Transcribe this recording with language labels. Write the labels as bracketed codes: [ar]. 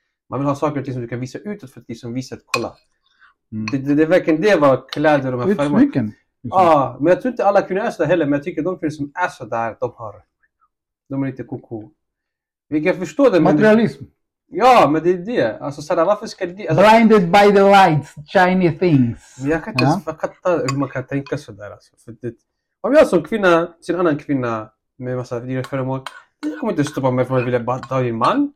[sv] Man vill ha saker och ting som du kan visa utåt för att liksom visa att kolla. Det är verkligen det var kläder och de här föremålen. Utsmycken. Ja, men jag tror inte alla kvinnor är sådär heller, men jag tycker de kvinnor som är sådär, de är lite koko. Vilket jag förstår det, men Materialism. ja, men det är det. Alltså så här, varför ska det... Alltså, [en] Blinded by the lights, shiny things. [sv] jag kan inte ens fatta hur man kan tänka sådär. Alltså. För det, om jag som kvinna ser en annan kvinna med en massa dyra föremål, det kommer inte stoppa mig från att vilja bara ta din man.